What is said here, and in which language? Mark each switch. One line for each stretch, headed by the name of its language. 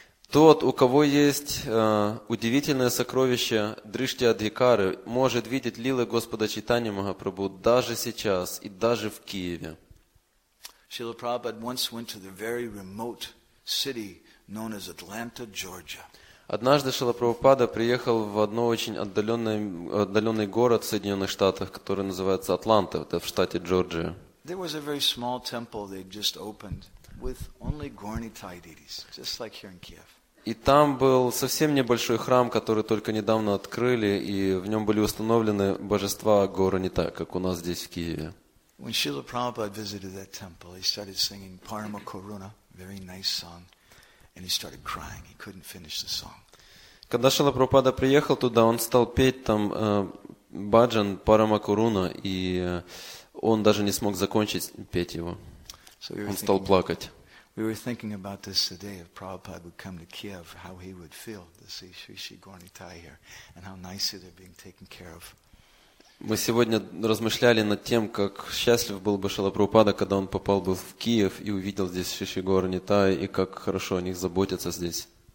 Russian: Тот, у кого есть удивительное сокровище Дришти Адхикары, может видеть лилы Господа Чайтанья Махапрабху даже сейчас и даже в Киеве.
English: Srila Prabhupada once went to the very remote city known as Atlanta, Georgia.
Russian: Однажды Шрила Прабхупада приехал в одно очень отдаленный город в Соединенных Штатах, который называется Атланта, это в штате Джорджия.
English: There was a very small temple they just opened with only Gornitai deities, just like here in Kiev.
Russian: И там был совсем небольшой храм, который только недавно открыли, и в нем были установлены божества Горнитай, как у нас здесь в Киеве.
English: When Srila Prabhupada visited that temple, he started singing Parama Karuna, very nice song. And he started crying. He couldn't finish the song.
Russian: Когда Шрила Прабхупада приехал туда, он стал петь там баджан Парамакуруна, и он даже не смог закончить петь его.
English: So we
Russian: он стал плакать.
English: We were thinking about this today, if Prabhupada would come to Kiev, how he would feel to see Shri Gaurinitai here, and how nicely they're being taken care of.
Russian: Мы сегодня размышляли над тем, как счастлив был бы Шрила Прабхупада, когда он попал бы в Киев и увидел здесь Шри Гаурнитай, и как хорошо о них заботятся здесь.